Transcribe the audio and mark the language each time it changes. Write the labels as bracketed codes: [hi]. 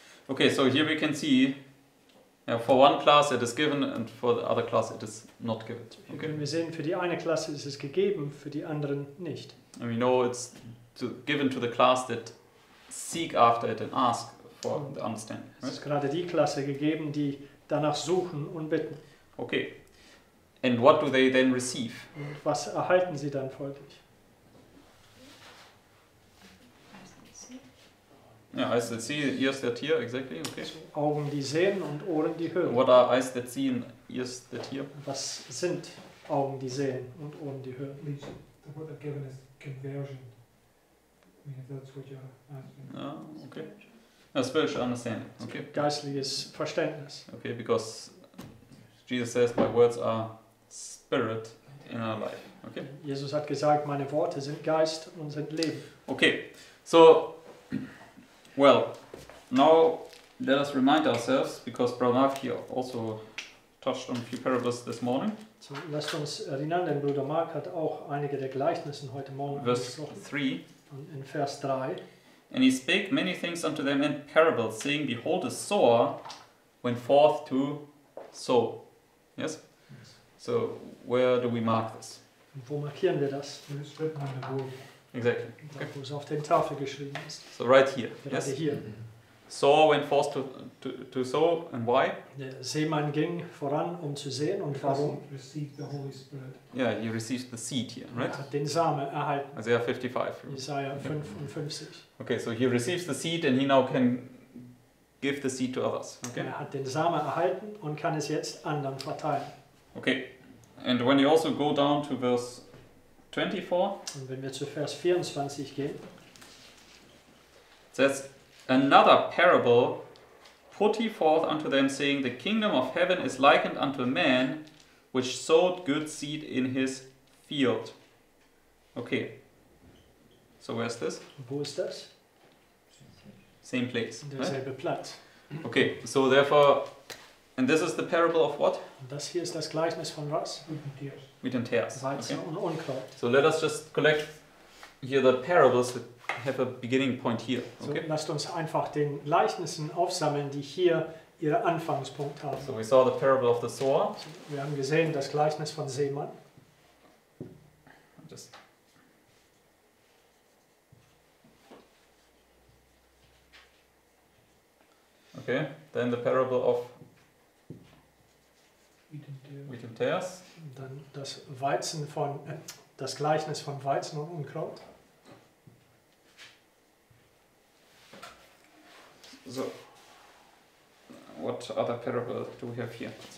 [en] Okay, so here we can see, for one class it is given and for the other class it is not given. [de] Wir können sehen, für die eine Klasse ist es gegeben, für die anderen nicht. [en] And we know it's given to the class that seek after it and ask for the understanding. Right? [de] Es ist gerade die Klasse gegeben, die danach suchen und bitten. [en] Okay. And what do they then receive? [de] Und was erhalten sie dann folglich? [en] Yeah, eyes that see, ears that hear, exactly, okay. [de] So, Augen, die sehen und Ohren, die hören. [en] What are eyes that see and ears that hear? [de] Was sind Augen, die sehen und Ohren, die hören? [en] The word that given is conversion. I mean, that's what you're asking. Okay. A spiritual understanding, okay. [de] Geistliches Verständnis. [en] Okay, because Jesus says, my words are spirit in our life, okay. [de] Jesus hat gesagt, meine Worte sind Geist und sind Leben. [en] Okay, so... Well, now let us remind ourselves, because Brother Mark here also touched on a few parables this morning. [de] So, lasst uns erinnern, denn Bruder Mark hat auch einige der Gleichnissen heute Morgen angesprochen. Verse 3. Und in Vers 3. [en] And he spake many things unto them in parables, saying, behold, a sower went forth to sow. Yes? Yes. So, where do we mark this? [de] Und wo markieren wir das? In der Schrift. [en] Exactly. Okay. [de] Da, wo es auf den Tafel geschrieben ist. [en] So right here. Yes. [de] Hier. [en] Saw went forth to sow, and why? [de] Der Seemann ging voran, um zu sehen, und [en] because [de] warum? [en] He received the Holy Spirit. Yeah, he received the seed here, right? [de] Er hat den Samen erhalten. [en] Isaiah 55. Isaiah 55. Okay, so he receives the seed, and he now can give the seed to others. Okay. [de] Er hat den Samen erhalten und kann es jetzt anderen verteilen. [en] Okay. And when you also go down to verse 24. [de] Und wenn wir zu Vers 24 gehen. [en] It says, another parable put he forth unto them, saying, the kingdom of heaven is likened unto a man which sowed good seed in his field. Okay. So where's this? [de] Wo ist das? [en] Same place. [de] Derselbe Platz. [en] Okay, so therefore, and this is the parable of what? [de] Das hier ist das Gleichnis von was? Mit den Tares. Weizen und Unkraut. [en] So let us just collect here the parables that have a beginning point here. Okay? [de] So lasst uns einfach den Gleichnissen aufsammeln, die hier ihren Anfangspunkt haben. [en] So we saw the parable of the sower. [de] So wir haben gesehen das Gleichnis von Seemann. [en] Just okay, then the parable of wheat and tares. [de] Dann das Weizen von das Gleichnis von Weizen und Unkraut. [en] So, what other parable do we have here?